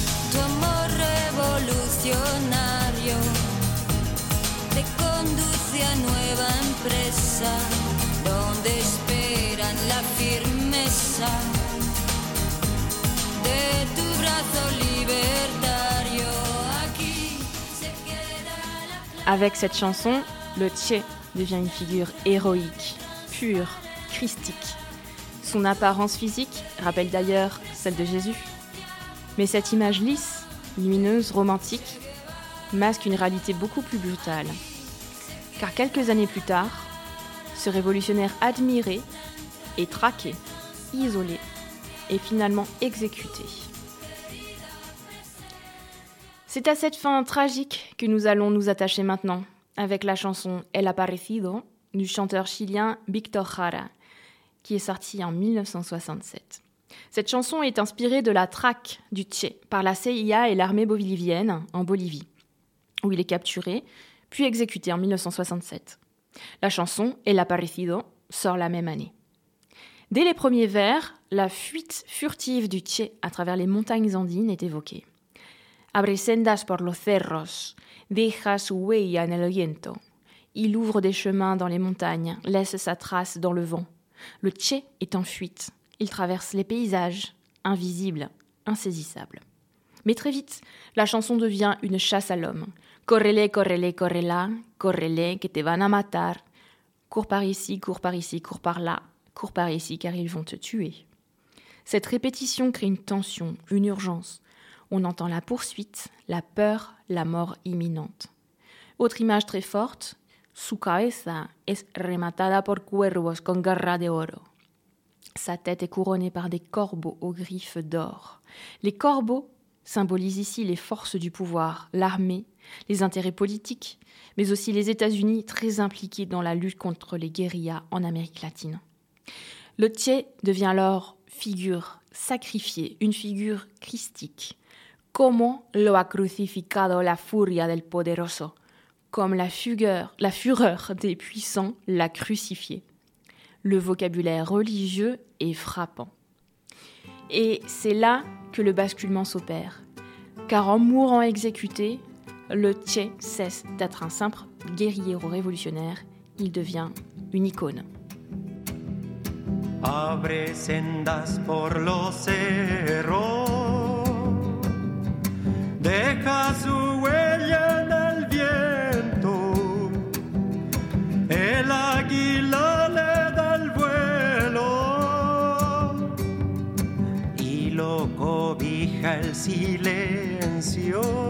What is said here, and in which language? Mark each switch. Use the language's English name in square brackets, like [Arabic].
[Spanish] Tu amor revolucionario te conduce a nueva empresa donde esperan la firmeza de tu brazo libertario. Aquí se queda la... [French] Avec cette chanson, le Che devient une figure héroïque, pure, christique. Son apparence physique rappelle d'ailleurs celle de Jésus. Mais cette image lisse, lumineuse, romantique, masque une réalité beaucoup plus brutale. Car quelques années plus tard, ce révolutionnaire admiré est traqué, isolé et finalement exécuté. C'est à cette fin tragique que nous allons nous attacher maintenant, avec la chanson El Aparecido du chanteur chilien Víctor Jara, qui est sortie en 1967. Cette chanson est inspirée de la traque du Che par la CIA et l'armée bolivienne en Bolivie, où il est capturé, puis exécuté en 1967. La chanson, El Aparecido, sort la même année. Dès les premiers vers, la fuite furtive du Che à travers les montagnes andines est évoquée. [Spanish] Abre sendas por los cerros, deja su huella en el viento. [French] Il ouvre des chemins dans les montagnes, laisse sa trace dans le vent. Le Che est en fuite. Il traverse les paysages, invisible, insaisissable. Mais très vite, la chanson devient une chasse à l'homme. Correle, correle, correla, correle, que te van a matar. Cours par ici, cours par ici, cours par là, cours par ici, car ils vont te tuer. Cette répétition crée une tension, une urgence. On entend la poursuite, la peur, la mort imminente. [Spanish] Autre image très forte, su cabeza es rematada por cuervos con garra de oro. [French] Sa tête est couronnée par des corbeaux aux griffes d'or. Les corbeaux symbolisent ici les forces du pouvoir, l'armée, les intérêts politiques, mais aussi les États-Unis très impliqués dans la lutte contre les guérillas en Amérique latine. Le Che devient alors figure sacrifiée, une figure christique. [Spanish] Como lo ha crucificado la furia del poderoso. [French] Comme la fureur des puissants l'a crucifié. Le vocabulaire religieux est frappant. Et c'est là que le basculement s'opère. Car en mourant exécuté, le Che cesse d'être un simple guerrier révolutionnaire. Il devient une icône. [Spanish] Abre sendas por los cerros, deja su huella en el viento, el águila le da el vuelo y lo cobija el silencio.